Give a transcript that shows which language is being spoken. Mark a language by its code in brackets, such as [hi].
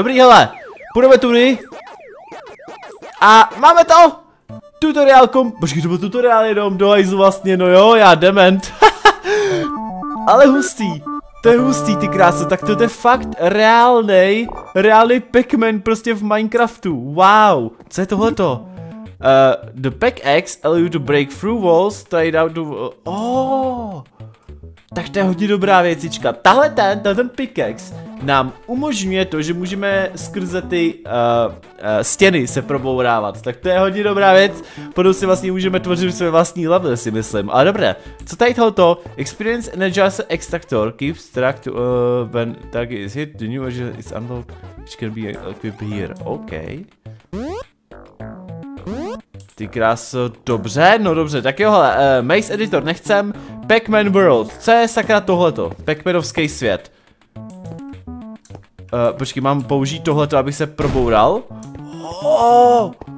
[cs] Dobrý, hele, půjdeme tuny. A máme to! Tutoriál kom... Počkej, to byl tutoriál jenom do hajzu vlastně, no jo, já dement. Ale hustý. To je hustý, ty krásy, tak to je fakt reálný Pac-Man prostě v Minecraftu. Wow, co je tohleto? [en] The pickaxe allow you to break through walls, try it out to... Oh. [cs] Tak to je hodně dobrá věcička. Tahle ten pickaxe nám umožňuje to, že můžeme skrze ty stěny se probourávat. Tak to je hodně dobrá věc. Potom si vlastně můžeme tvořit své vlastní level, si myslím. Ale dobré, co tady tohoto? [en] Experience Energizer Extractor keeps track to when tag is hit, the new energy is unlocked, which can be equipped here. OK. [cs] Ty kráso, dobře, no dobře, tak jo, hele, Maze Editor nechcem, Pac-Man World, co je sakra tohleto, Pac-Manovský svět. Počkej, mám použít tohleto, abych se proboural. Oh!